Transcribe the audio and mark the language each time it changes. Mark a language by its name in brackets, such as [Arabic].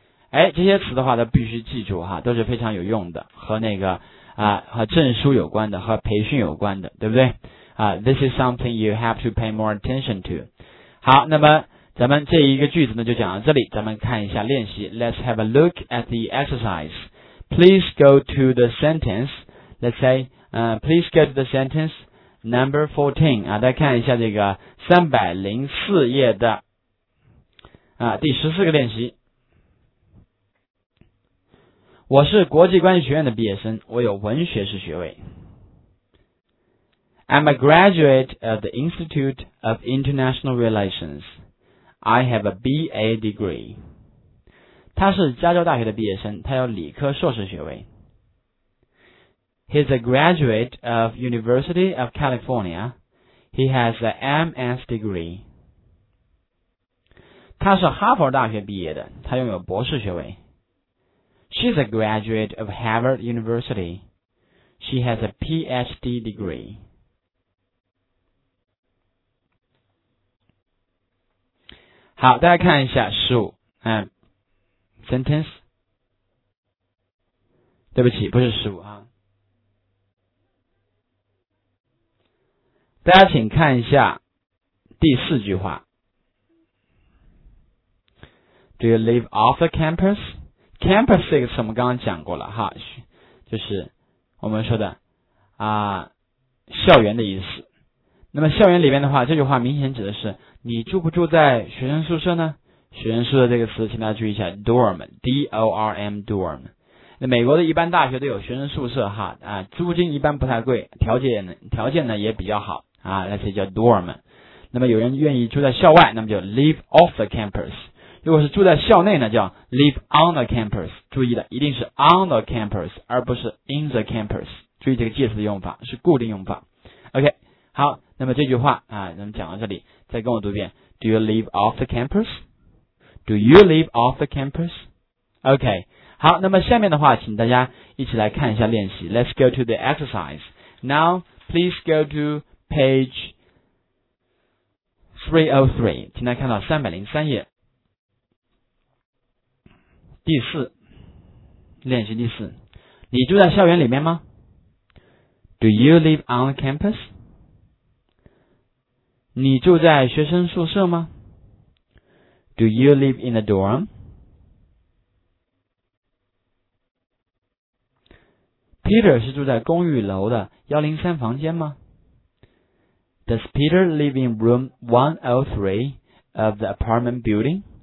[Chinese] 哎，这些词的话都必须记住哈，都是非常有用的，和那个啊、和证书有关的，和培训有关的，对不对啊、 [English] this is something you have to pay more attention to。 [Chinese] 好，那么咱们这一个句子呢就讲到这里，咱们看一下练习。 [English] Let's have a look at the exercise. Please go to the sentenceLet's say, please go to the sentence, number 14 [Chinese] 啊，大家看一下这个304页的啊第14个练习。我是国际关系学院的毕业生，我有文学士学位。 [English] I'm a graduate of the Institute of International Relations. I have a BA degree. [Chinese] 他是加州大学的毕业生，他有理科硕士学位。 [English] He's a graduate of University of California. He has a MS degree. [Chinese] 他是哈佛大学毕业的，他拥有博士学位。 [English] She's a graduate of Harvard University. She has a PhD degree. [Chinese] 好，大家看一下15sentence. 对不起，不是15啊。大家请看一下第四句话。 [English] Do you live off the campus? [Chinese] Campus 这个词我们刚刚讲过了哈，就是我们说的啊校园的意思。那么校园里面的话，这句话明显指的是你住不住在学生宿舍呢？学生宿舍这个词，请大家注意一下 ，dorm，d-o-r-m，dorm。那美国的一般大学都有学生宿舍哈，啊，租金一般不太贵，条件呢也比较好啊，那些叫 dorm。那么有人愿意住在校外，那么就 [English] live off the campus。 [Chinese] 如果是住在校内呢，叫 [English] live on the campus。 [Chinese] 注意的，一定是 [English] on the campus， [Chinese] 而不是 [English] in the campus。 [Chinese] 注意这个介词的用法，是固定用法。OK， 好，那么这句话啊，咱们讲到这里，再跟我读一遍 ： [English] Do you live off the campus？ Do you live off the campus？ [Chinese] OK， 好，那么下面的话，请大家一起来看一下练习。 [English] Let's go to the exercise. Now, please go to page 303。 [Chinese] 请大家看到303页。第四，练习第四，你住在校园里面吗 ？ [English] Do you live on campus？ [Chinese] 你住在学生宿舍吗 ？ [English] Do you live in a dorm？ Peter [Chinese] 是住在公寓楼的103房间吗 [English] ？Does Peter live in room 103 of the apartment building？